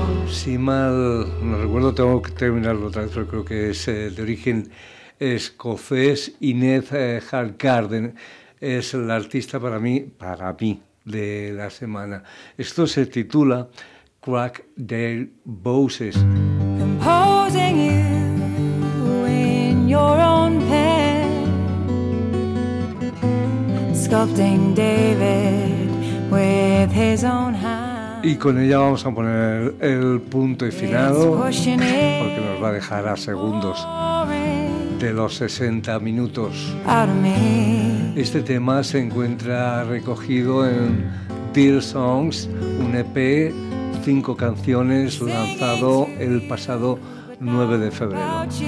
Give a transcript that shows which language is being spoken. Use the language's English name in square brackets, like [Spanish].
[Spanish] Si mal no recuerdo, tengo que terminarlo otra vez, pero creo que es de origen escocés, Inez Hargarden. Es el artista para mí, de la semana. Esto se titula Crack Their Voices. [English] Composing you in your own head, sculpting David with his own hand. [Spanish] Y con ella vamos a poner el punto y final, porque nos va a dejar a segundos de los 60 minutos. Este tema se encuentra recogido en Dear Songs, un EP, 5 canciones, lanzado el pasado 9 de febrero.